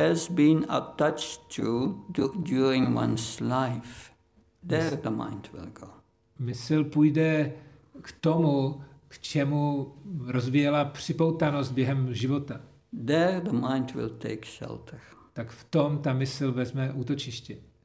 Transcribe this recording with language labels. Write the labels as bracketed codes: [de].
[en] Where it has been attached to during one's life, there the mind will go. [cs] Mysl půjde k tomu, k čemu rozvíjela připoutanost během života. [en] There the mind will take shelter. [cs] Tak v tom ta mysl vezme útočiště.